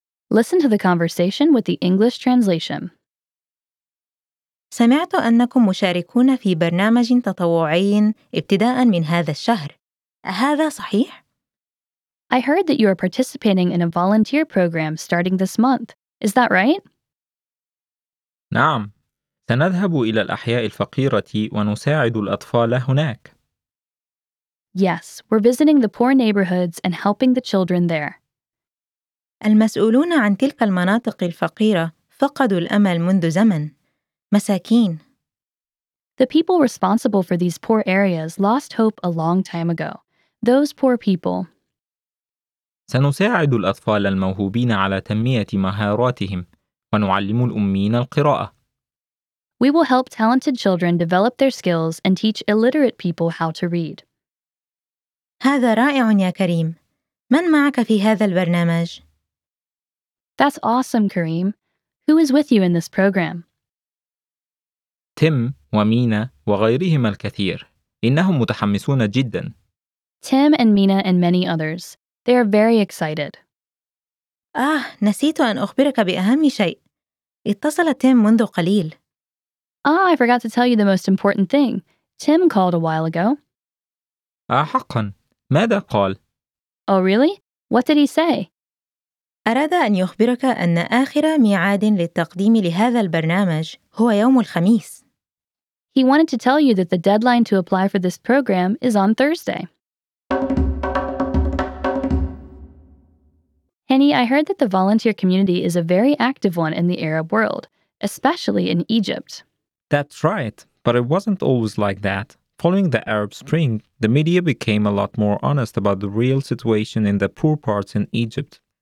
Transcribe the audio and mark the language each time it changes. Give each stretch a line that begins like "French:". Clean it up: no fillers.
English: Listen to the conversation with the English translation.
Arabic: سمعت أنكم مشاركون في برنامج تطوعي ابتداء من هذا الشهر. هذا صحيح؟
English: I heard that you are participating in a volunteer program starting this month. Is that right?
Arabic: نعم. سنذهب إلى الأحياء الفقيرة ونساعد الأطفال هناك.
English: Yes, we're visiting the poor neighborhoods and helping the children there.
Arabic: المسؤولون عن تلك المناطق الفقيرة فقدوا الأمل منذ زمن. مساكين.
English: The people responsible for these poor areas lost hope a long time ago. Those poor people.
Arabic: سنساعد الأطفال الموهوبين على تنمية مهاراتهم ونعلم الأمين القراءة.
English: We will help talented children develop their skills and teach illiterate people how to read.
Arabic: هذا رائع يا كريم. من معك في هذا البرنامج؟
English: That's awesome, Kareem. Who is with you in this program?
Arabic: تيم ومينا وغيرهم الكثير. إنهم متحمسون جدا.
English: Tim and Mina and many others. They are very excited.
Arabic: نسيت أن أخبرك بأهم شيء. اتصل تيم منذ قليل.
English: I forgot to tell you the most important thing. Tim called a while ago.
Arabic: حقا. ماذا قال؟
English: Oh, really? What did he say?
Arabic: أراد أن يخبرك أن آخر ميعاد للتقديم لهذا البرنامج هو يوم الخميس.
English: He wanted to tell you that the deadline to apply for this program is on Thursday. Hani, I heard that the volunteer community is a very active one in the Arab world, especially in Egypt. That's right, but it wasn't always like that. Following the Arab Spring, the media became a lot more honest about the real situation in the poor parts in Egypt.